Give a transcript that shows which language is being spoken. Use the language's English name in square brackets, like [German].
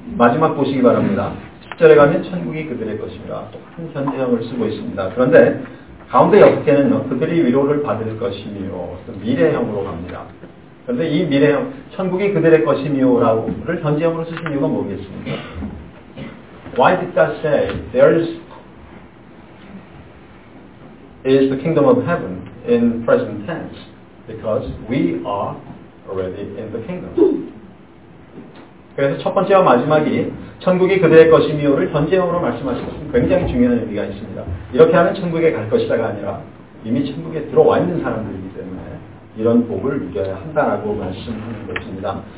[Korean] 마지막 보시기 바랍니다. 10절에 가면 천국이 그들의 것이라 똑같은 현세형을 쓰고 있습니다. 그런데 가운데 여섯 개는 그들이 위로를 받을 것이며 또 미래형으로 갑니다. 그런데 이 미래형, 천국이 그들의 것이며라고를 현재형으로 쓰신 이유가 뭐겠습니까? [English] Why did that say there is the kingdom of heaven in present tense? Because we are already in the kingdom. [Korean] 그래서 첫 번째와 마지막이 천국이 그들의 것이며를 현재형으로 말씀하신 것은 굉장히 중요한 의미가 있습니다. 이렇게 하면 천국에 갈 것이다가 아니라 이미 천국에 들어와 있는 사람들이기 때문에 이런 복을 누려야 한다라고 말씀하는 것입니다.